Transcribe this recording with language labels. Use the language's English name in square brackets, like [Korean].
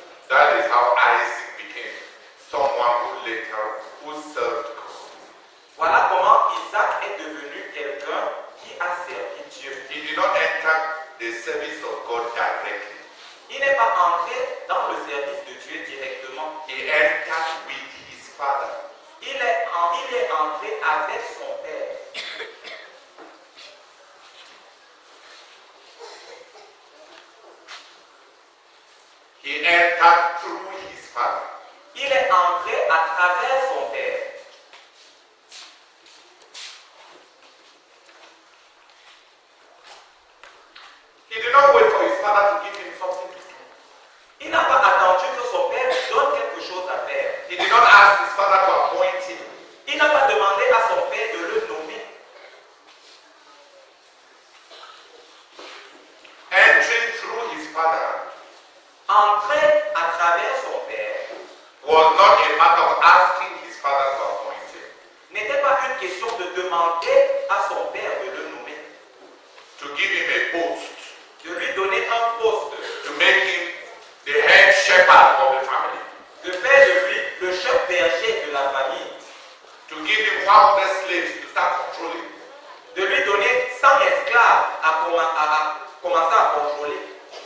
[English] That is how Isaac became someone who later who served God. [French] Voilà comment Isaac est devenu. Quelqu'un qui a servi Dieu. [English] He did not enter the service of God directly. [French] Il n'est pas entré dans le service de Dieu directement. [English] He entered with his father. [French] Il est entré avec son père. [English] He entered through his father. [French] Il est entré à travers son père. [English] He did not wait for his father to give him something to do. [French] Il n'a pas attendu que son père lui donne quelque chose à faire. [English] He did not ask his father to appoint him. [French] Il n'a pas demandé à son père de le nommer. [English] Entering through his father. [French] Entrer à travers son père. [English] Was not a matter of asking his father to appoint him. [French] N'était pas une question de demander à son père de le nommer. [English] To give him a post. [French] De lui donner un poste. [English] To make him the head shepherd of the family. [French] De faire de lui le chef berger de la famille. [English] To give him 100 slaves to start controlling. [French] De lui donner 100 esclaves à commencer à contrôler.